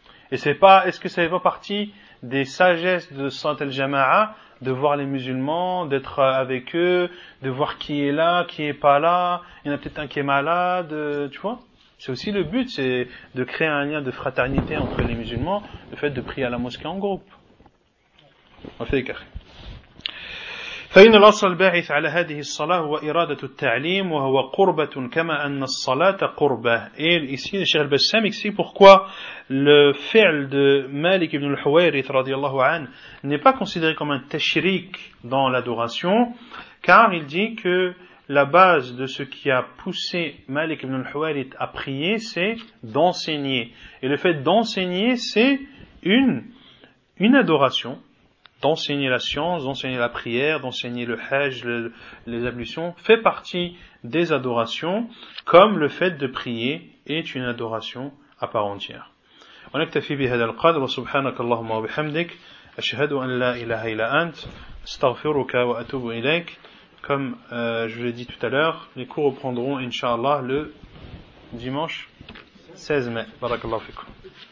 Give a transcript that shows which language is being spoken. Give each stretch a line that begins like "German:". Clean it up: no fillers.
French: Et c'est pas, est-ce que ça fait pas partie des sagesses de Sainte al-Jama'a de voir les musulmans, d'être avec eux, de voir qui est là, qui est pas là, il y en a peut-être un qui est malade, tu vois? C'est aussi le but, c'est de créer un lien de fraternité entre les musulmans, le fait de prier à la mosquée en groupe. On fait écart.
Arabic: فإن الأصل الباعث على هذه الصلاة هو إرادة التعليم وهو قربة كما أن الصلاة قربة.
French: Et ici le Cheikh Al-Bassam explique pourquoi le fi'l de Malik ibn al-Huwayrith radiallahu an n'est pas considéré comme un tashrik dans l'adoration, car il dit que la base de ce qui a poussé Malik ibn al-Huwayrith à prier, c'est d'enseigner. Et le fait d'enseigner, c'est une adoration. d'enseigner la science, d'enseigner la prière, d'enseigner le hajj, les ablutions, fait partie des adorations, comme le fait de prier est une adoration à part entière.
Arabic: On اكتفي بهذا القدر وسبحانك اللهم وبحمدك اشهد ان لا اله الا انت استغفرك واتوب اليك.
French: Comme je l'ai dit tout à l'heure, les cours reprendront inshallah le dimanche 16 mai.
Arabic: Barakallahu fikoum.